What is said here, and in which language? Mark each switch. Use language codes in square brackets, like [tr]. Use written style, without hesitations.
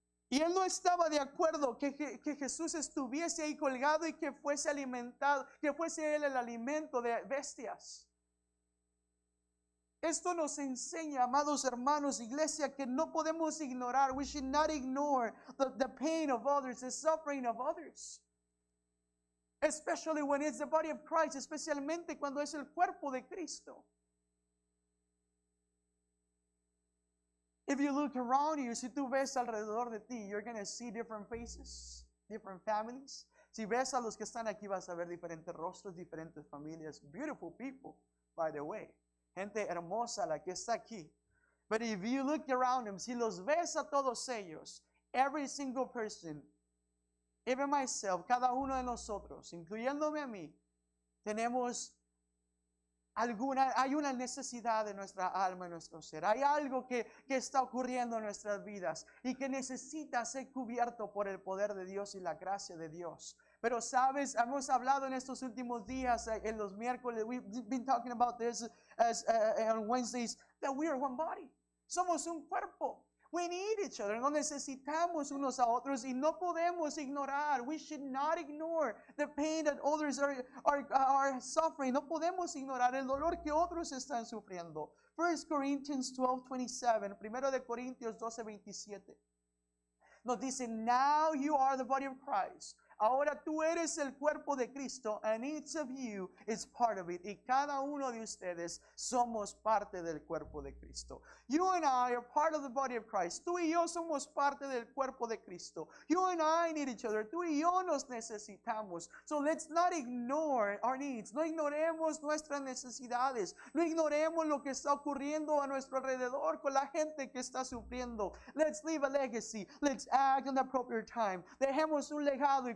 [es] Y él no estaba de acuerdo que Jesús estuviese ahí colgado y que fuese alimentado, que fuese él el alimento de bestias. Esto nos enseña, amados hermanos, iglesia, que no podemos ignorar. [en] We should not ignore the pain of others, the suffering of others. Especially when it's the body of Christ, [es] especialmente cuando es el cuerpo de Cristo. [en] If you look around you, [es] si tú ves alrededor de ti, [en] you're going to see different faces, different families. [es] Si ves a los que están aquí, vas a ver diferentes rostros, diferentes familias. [en] Beautiful people, by the way. [es] Gente hermosa la que está aquí. [en] But if you look around them, [es] si los ves a todos ellos, [en] every single person, even myself, [es] cada uno de nosotros, incluyéndome a mí, tenemos hay una necesidad de nuestra alma, de nuestro ser. Hay algo que está ocurriendo en nuestras vidas y que necesita ser cubierto por el poder de Dios y la gracia de Dios. Pero sabes, hemos hablado en estos últimos días, en los miércoles, [en] we've been talking about this on Wednesdays, that we are one body. [es] Somos un cuerpo. [en] We need each other. [es] No necesitamos unos a otros y no podemos ignorar. [en] We should not ignore the pain that others are suffering. [es] No podemos ignorar el dolor que otros están sufriendo. 1 Corinthians 12:27. Primero de Corintios 12:27. Nos dice, [en] now you are the body of Christ. [es] Ahora tú eres el cuerpo de Cristo, [en] and each of you is part of it. [es] Y cada uno de ustedes somos parte del cuerpo de Cristo. [en] You and I are part of the body of Christ. [es] Tú y yo somos parte del cuerpo de Cristo. [en] You and I need each other. [es] Tú y yo nos necesitamos. [en] So let's not ignore our needs. [es] No ignoremos nuestras necesidades. No ignoremos lo que está ocurriendo a nuestro alrededor con la gente que está sufriendo. [en] Let's leave a legacy. Let's act in the appropriate time. [es] Dejemos un legado.